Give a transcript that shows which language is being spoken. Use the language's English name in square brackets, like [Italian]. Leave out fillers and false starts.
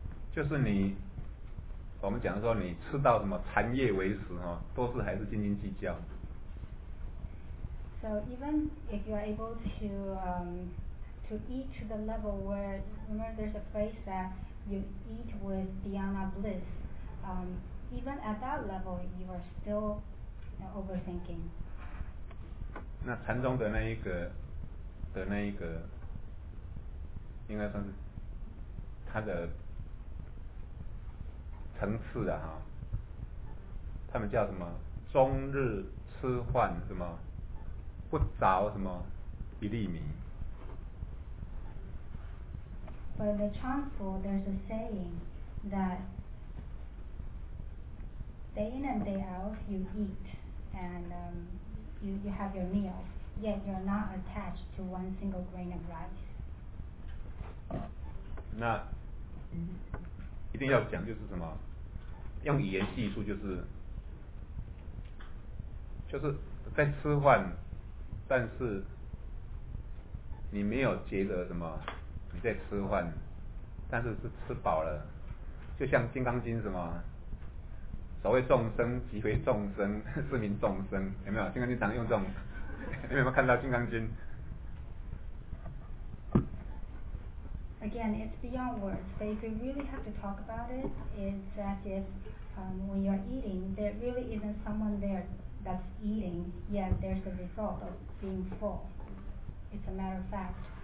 [Chinese] 就是你，我们讲说你吃到什么残叶为食哈，都是还是斤斤计较。 [English] So even if you are able to eat to the level where, remember there's a phrase that you eat with dhyana bliss,even at that level, you are still, you know, overthinking. [Chinese] 那禅宗的那一个，应该算是它的层次的哈。他们叫什么？终日吃饭什么？不着什么？一粒米。 [English] For the Chan school, there's a saying that. Day in and day out, you eat, and you have your meal, yet you're not attached to one single grain of rice. [Chinese] 那一定要讲就是什么，用语言技术就是在吃饭，但是你没有觉得什么你在吃饭，但是是吃饱了，就像《金刚经》什么。所谓众生即非众生，是名众生，有没有？金刚经常用这种，有没有看到金刚经 [English] ？Again, it's beyond words, but if you really have to talk about it, it's as if when you're eating, there really isn't someone there that's eating, yet there's the result of being full. It's a matter of fact.